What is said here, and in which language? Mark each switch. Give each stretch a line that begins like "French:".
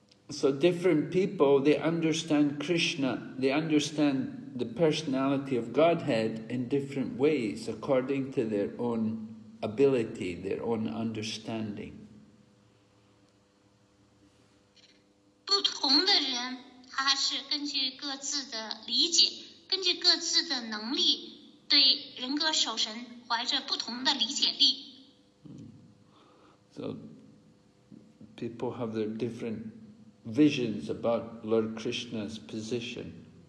English: So different people, they understand Krishna, they understand the personality of Godhead in different ways, according to their own ability, their own understanding.
Chinese: 不同的人，他是根据各自的理解，根据各自的能力，对人格守神怀着不同的理解力。
English: So,People have their different visions about Lord Krishna's position.